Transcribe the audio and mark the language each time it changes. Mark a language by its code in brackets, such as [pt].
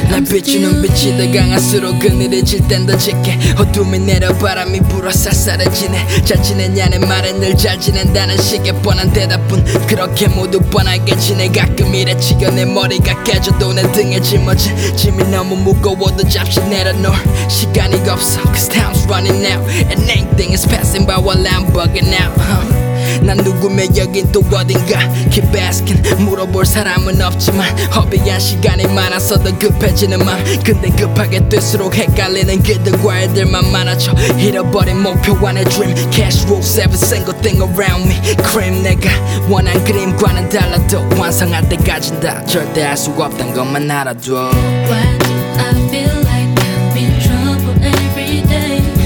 [ko] 비추는 빛이 더 강할수록 그늘해질 땐 더 짙게 어둠이 내려 바람이 불어 쌀쌀해지네. 잘 지냈냐는 말에 늘 잘 지낸다는 식의 뻔한 대답뿐 그렇게 모두 뻔하게 지내. 가끔 이래 치겨 내 머리가 깨져도 내 등에 짊어진 짐이 너무 무거워도 잡시 내려놓을 시간이 없어. [en] Cause time's running out and anything is passing by while I'm bugging out. [ko] 난 누구며 여긴 또 어딘가 [en] keep asking. [ko] 물어볼 사람은 없지만 허비한 시간이 많아서 더 급해지는 마음. 근데 급하게 뛸수록 헷갈리는 길들과 애들만 많아져. 잃어버린 목표와 내 dream. [en] Cash rules every single thing around me. [ko] Cream 내가 원한 그림과는 달라도 완성할 때까진 다 절대 알 수 없단 것만 알아둬. [en] Why do I feel like I'm in trouble every day?